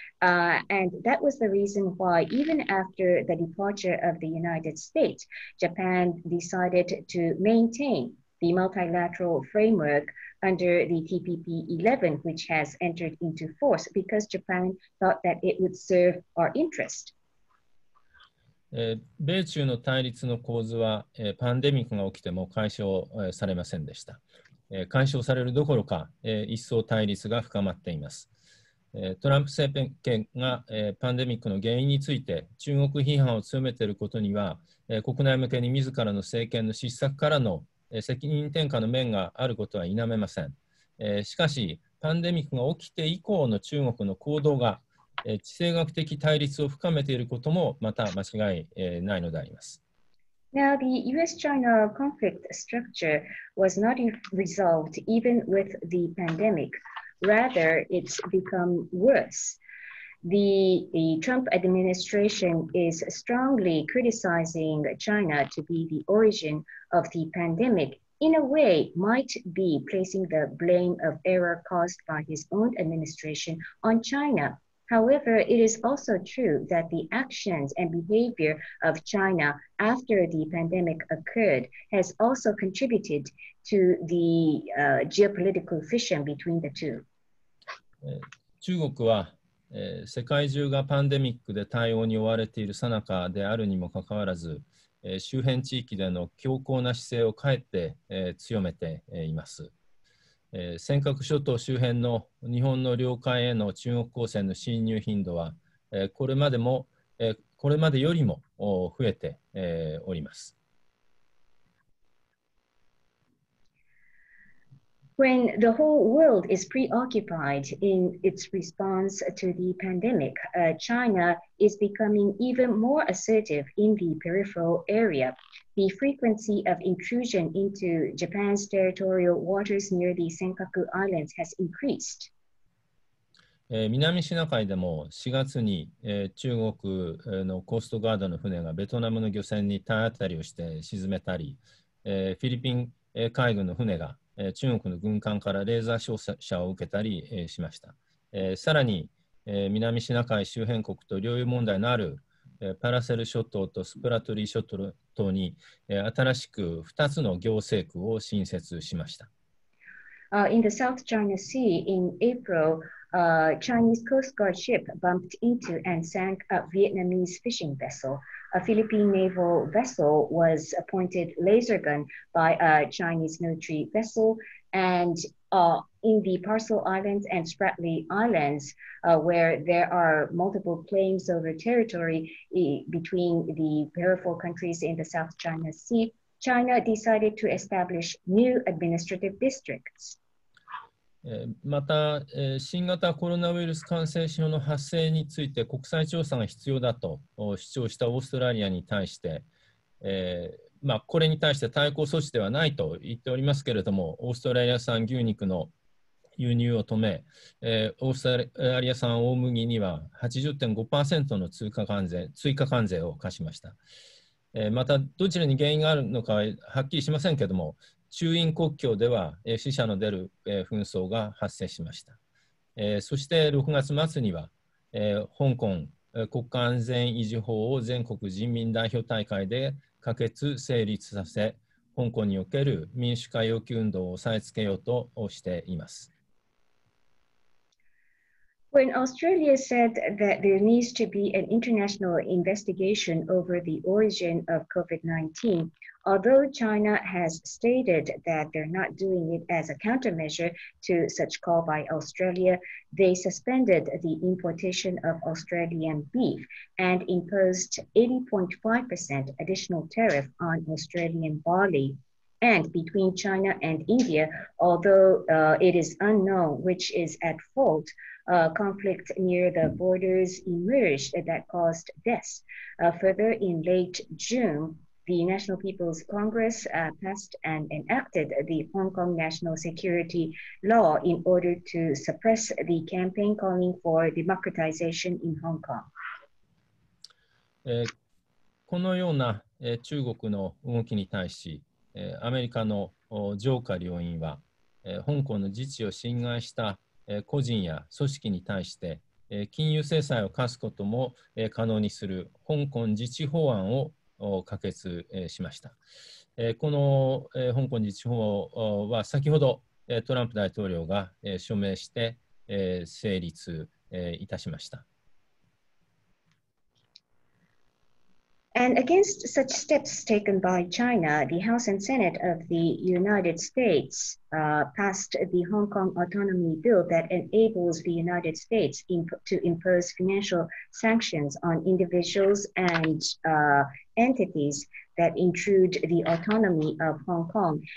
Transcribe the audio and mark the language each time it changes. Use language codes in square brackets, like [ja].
[en] And that was the reason why, even after the departure of the United States, Japan decided to maintainthe multilateral framework under the TPP-11, which has entered into force, because Japan thought that it would serve our interest. [ja] 米中の対立の構図は、パンデミックが起きても解消されませんでした。解消されるどころか、一層対立が深まっています。トランプ政権が、パンデミックの原因について中国批判を強めていることには、国内向けに自らの政権の失策からの責任転嫁の面があることは否めません。しかし、パンデミックが起きて以降の中国の行動が、地政学的対立を深めていることもまた間違いないのであります。 [en] Now, the US-China conflict structure was not resolved even with the pandemic. Rather, it's become worse. The Trump administration is strongly criticizing China to be the origin of the pandemic, in a way might be placing the blame of error caused by his own administration on China. However, it is also true that the actions and behavior of China after the pandemic occurred has also contributed to the geopolitical fission between the two. [ja] 中国は世界中がパンデミックで対応に追われているさなかであるにもかかわらず、周辺地域での強硬な姿勢をかえって強めています。尖閣諸島周辺の日本の領海への中国航線の侵入頻度は、これまでよりも増えております。 [en] When the whole world is preoccupied in its response to the pandemic, China is becoming even more assertive in the peripheral area. The frequency of intrusion into Japan's territorial waters near the Senkaku Islands has increased. [ja] 南シナ海でも4月に中国のコーストガードの船がベトナムの漁船に体当たりをして沈めたり、フィリピン海軍の船が中国の軍艦からレーザー照射を受けたりしました。さらに南シナ海周辺国と領有問題のあるパラセル諸島とスプラトリー諸島等に新しく2つの行政区を新設しました。 [en] In the South China Sea in April, Chinese Coast Guard ship bumped into and sank a Vietnamese fishing vessel. A Philippine naval vessel was appointed laser gun by a Chinese military vessel. And in the Paracel Islands and Spratly Islands, where there are multiple claims over territory between the peripheral countries in the South China Sea,China decided to establish new administrative districts. [ja] また、新型コロナウイルス感染症の発生について国際調査が必要だと主張したオーストラリアに対して、これに対して対抗措置ではないと言っておりますけれども、オーストラリア産牛肉の輸入を止め、オーストラリア産大麦には 80.5% の追加関税を課しました。またどちらに原因があるのかはっきりしませんけれども、中印国境では死者の出る紛争が発生しました。そして6月末には香港国家安全維持法を全国人民代表大会で可決成立させ、香港における民主化要求運動を抑えつけようとしています。 [en] When Australia said that there needs to be an international investigation over the origin of COVID-19, although China has stated that they're not doing it as a countermeasure to such call by Australia, they suspended the importation of Australian beef and imposed 80.5% additional tariff on Australian barley. And between China and India, although it is unknown which is at fault, conflict near the borders emerged that caused deaths. Further, in late June, the National People's Congress passed and enacted the Hong Kong National Security Law in order to suppress the campaign calling for democratization in Hong Kong. [ja] このような中国の動きに対し、アメリカの上下両院は香港の自治を侵害した個人や組織に対して金融制裁を科すことも可能にする香港自治法案を可決しました。この香港自治法は先ほどトランプ大統領が署名して成立いたしました。 [en] And against such steps taken by China, the House and Senate of the United States passed the Hong Kong Autonomy Bill that enables the United States to impose financial sanctions on individuals and entities that intrude the autonomy of Hong Kong.